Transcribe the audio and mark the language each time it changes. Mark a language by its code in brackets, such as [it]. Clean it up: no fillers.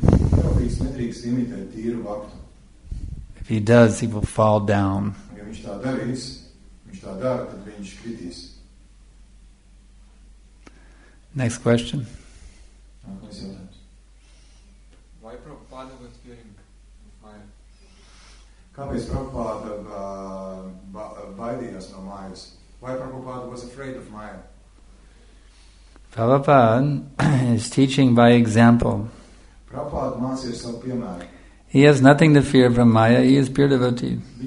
[lv] Neophytes nedrīkst imitēt tīru bhaktu. [en] If he does, he will fall down. [lv] Viņš tā darīs, viņš tā dar, tad viņš kritīs. [en] Next question. Why Prabhupada was fearing fire? [lv] Kāpēc Prabhupada baidījās no mājas? [en] Why Prabhupada was afraid of Maya? Prabhupada is teaching by example. [lv] Prabhupada mācīja savu piemēru. [en] He has nothing to fear from Maya. He is pure devotee.